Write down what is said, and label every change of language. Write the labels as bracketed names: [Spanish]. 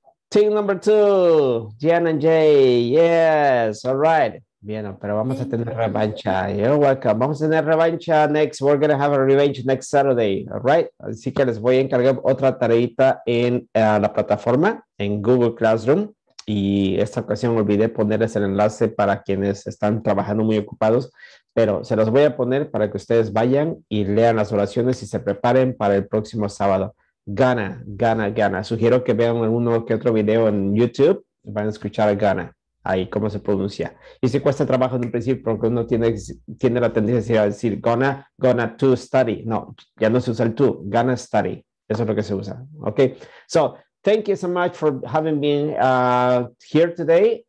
[English] Team number two, Jan and Jay, yes, all right. [Spanish] Bien, pero vamos a tener revancha. [English] You're welcome. [Spanish] Vamos a tener revancha next. [English] We're going to have a revenge next Saturday, all right? [Spanish] Así que les voy a encargar otra tareita en la plataforma, en Google Classroom. Y esta ocasión olvidé ponerles el enlace para quienes están trabajando muy ocupados. Pero se los voy a poner para que ustedes vayan y lean las oraciones y se preparen para el próximo sábado. Gana. Sugiero que vean alguno que otro video en YouTube. Van a escuchar a Gana. Ahí, cómo se pronuncia. Y si cuesta trabajo en un principio, porque uno tiene la tendencia a decir [English] gonna to study. [Spanish] No, ya no se usa el to. Gana study. Eso es lo que se usa. Okay. [English] So, thank you so much for having been here today.